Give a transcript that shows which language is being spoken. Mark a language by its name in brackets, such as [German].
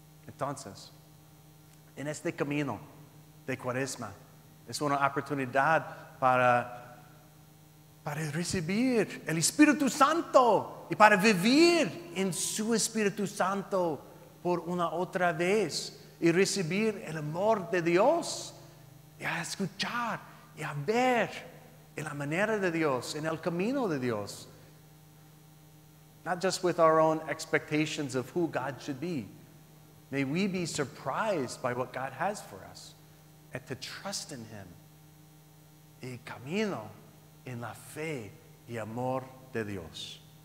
[Spanish] Entonces, en este camino de Cuaresma, es una oportunidad para recibir el Espíritu Santo y para vivir en su Espíritu Santo por una otra vez. Y recibir el amor de Dios, y a escuchar, y a ver en la manera de Dios, en el camino de Dios. [English] Not just with our own expectations of who God should be. May we be surprised by what God has for us, and to trust in Him. [Spanish] Y camino en la fe y amor de Dios.